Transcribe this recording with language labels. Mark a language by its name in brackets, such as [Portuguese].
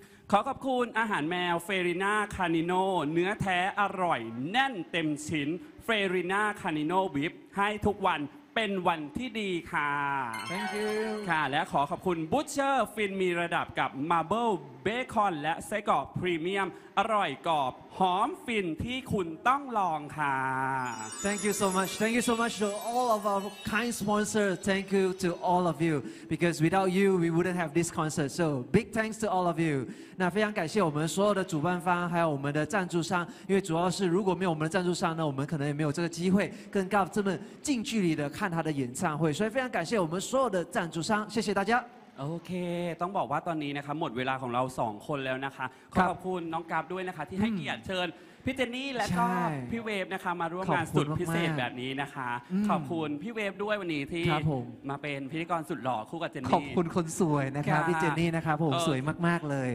[Thai] ขอขอบคุณอาหารแมว Ferina Canino เนื้อแท้อร่อยแน่นเต็มชิ้น Ferina Canino Whip ให้ทุกวันเป็นวันที่ดีค่ะ [English] Thank you [Thai] ค่ะและขอขอบคุณ Butcher ฟินมีระดับกับ Marble Bacon และไส้กรอกพรีเมียมอร่อยกรอบหอมฟินที่คุณต้องลองค่ะ [English] Thank you so much Thank you so much to all of our kind sponsors Thank you to all of you Because without you we wouldn't have this concert So big thanks to all of you [Chinese] 那非常感谢我们所有的主办方还有我们的赞助商因为主要是如果没有我们的赞助商呢我们可能也没有这个机会跟 GAF 这么近距离的看他的演唱会所以非常感谢我们所有的赞助商谢谢大家 [Thai] โอเคต้องบอกว่าตอนนี้นะคะหมดเวลาของเรา2คนแล้วนะคะขอบคุณน้องกราฟด้วยนะคะที่ให้เกียรติเชิญพี่เจนนี่และก็พี่เวฟนะคะมาร่วมงานสุดพิเศษแบบนี้นะคะขอบคุณพี่เวฟด้วยวันนี้ที่ มาเป็นพิธีกรสุดหล่อคู่กับเจนนี่ ขอบคุณคนสวยนะคะพี่เจนนี่นะคะผมสวยมากๆเลย